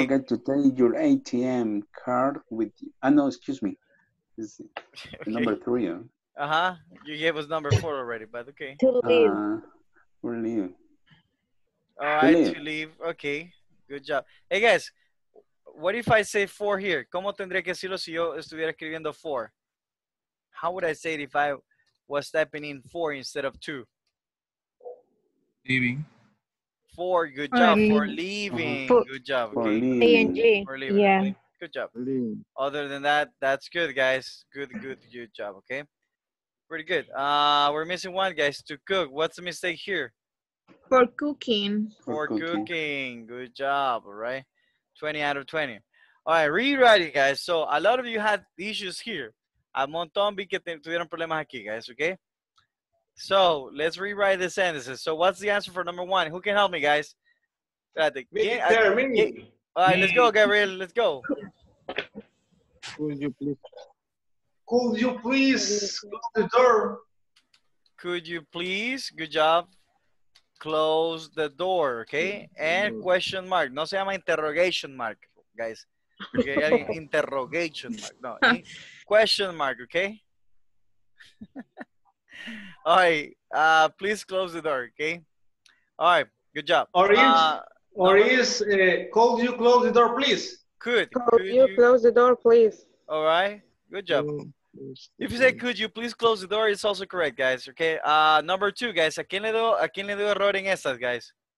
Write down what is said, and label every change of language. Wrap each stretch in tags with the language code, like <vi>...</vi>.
<en>Don't forget to take your ATM card with you. Oh, no, excuse me. This is okay. Number three. Uh-huh. You gave us number four already, but okay. To leave. We're leaving. All right, to leave. Okay. Good job. Hey, guys, what if I say four here?</en> <es>¿Cómo tendría que decirlo si yo estuviera escribiendo four?</es> <en>How would I say it if I was typing in four instead of two? Leaving. For good job for leaving. Good job. For leaving. Good job. Leaving. Other than that, that's good, guys. Good job. Okay. Pretty good. We're missing one, guys. To cook. What's the mistake here? For cooking. For cooking. Good job. All right. 20 out of 20. All right. Rewriting, guys. So a lot of you had issues here.</en> <es>A montón vi que tuvieron problemas aquí, guys.</es> <en>Okay. So let's rewrite the sentences. So what's the answer for number one? Who can help me, guys? Me. All right, let's go, Gabriel. Let's go. Could you please close the door? Could you please, good job, close the door, okay? And question mark.</en> <es>No se llama</es> <en>interrogation mark, guys. Interrogation mark. No, question mark, okay? All right, please close the door, okay? All right, good job. Could you close the door, please? Could you close the door, please? All right, good job. If you say, could you please close the door, it's also correct, guys, okay? Number two, guys,</en> <es>¿a quién le doy error en estas, guys?</es>